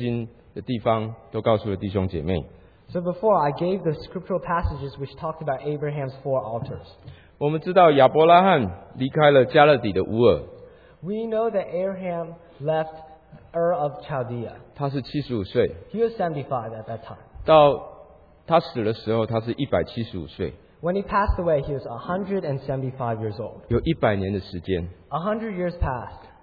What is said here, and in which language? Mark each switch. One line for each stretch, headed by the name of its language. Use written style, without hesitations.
Chinese: 所以我刚才大概把四座坛的圣经的地方都告诉了弟兄姐妹。
English: So before, I gave the scriptural passages which talked about Abraham's four altars.
Chinese: 我们知道亚伯拉罕离开了加勒底的乌尔。
English: We know that Abraham left Ur of Chaldea.
Chinese: 他是75岁。
English: He was 75 at that time.
Chinese: 到他死的时候，他是175岁。
English: When he passed away, he was 175 years old.
Chinese: 有100年的时间。
English: 100 years passed.